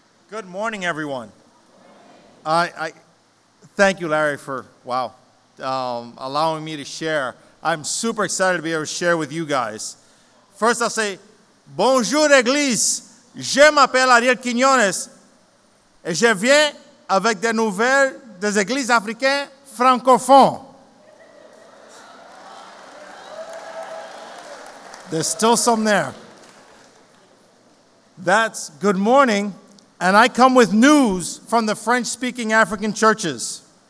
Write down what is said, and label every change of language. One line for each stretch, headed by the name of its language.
English: Good morning, everyone. I thank you, Larry, for allowing me to share. I'm super excited to be able to share with you guys. First, I'll say, bonjour, Église.
French: Je m'appelle Ariel Quinones. Et je viens avec des nouvelles des églises africaines francophones.
English: There's still some there. That's good morning. And I come with news from the French-speaking African churches.